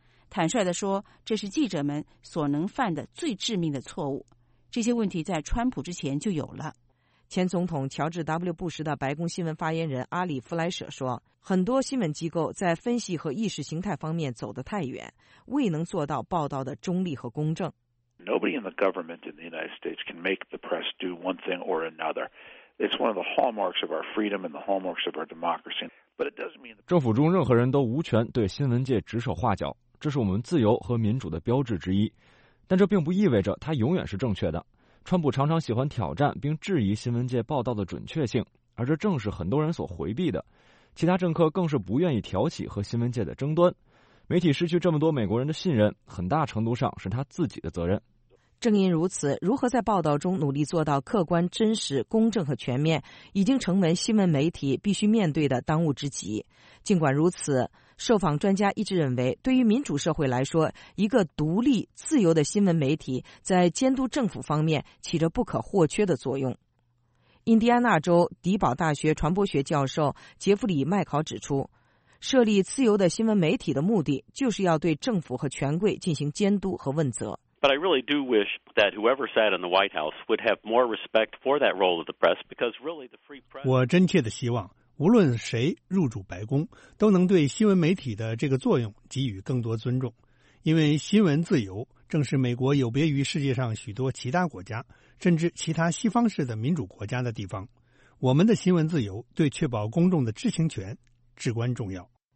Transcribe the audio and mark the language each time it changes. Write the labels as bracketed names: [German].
[Chinese] 坦率地说，这是记者们所能犯的最致命的错误。这些问题在川普之前就有了。前总统乔治 W. 布什的白宫新闻发言人阿里·弗莱舍说，很多新闻机构在分析和意识形态方面走得太远，未能做到报道的中立和公正。 [English] Nobody in the government in the United States can make the press do one thing or another. It's one of the hallmarks of our freedom and the hallmarks of our democracy. But it doesn't mean [Chinese] 政府中任何人都无权对新闻界指手画脚，这是我们自由和民主的标志之一。但这并不意味着它永远是正确的。川普常常喜欢挑战并质疑新闻界报道的准确性，而这正是很多人所回避的。其他政客更是不愿意挑起和新闻界的争端。媒体失去这么多美国人的信任，很大程度上是他自己的责任。正因如此，如何在报道中努力做到客观、真实、公正和全面，已经成为新闻媒体必须面对的当务之急。尽管如此，受访专家一直认为，对于民主社会来说，一个独立、自由的新闻媒体在监督政府方面起着不可或缺的作用。印第安纳州迪堡大学传播学教授杰弗里·麦考指出，设立自由的新闻媒体的目的就是要对政府和权贵进行监督和问责。 [English] But I really do wish that whoever sat in the White House would have more respect for that role of the press, because really the free press. [Chinese] 我真切的希望，无论谁入主白宫，都能对新闻媒体的这个作用给予更多尊重，因为新闻自由正是美国有别于世界上许多其他国家，甚至其他西方式的民主国家的地方。我们的新闻自由对确保公众的知情权至关重要。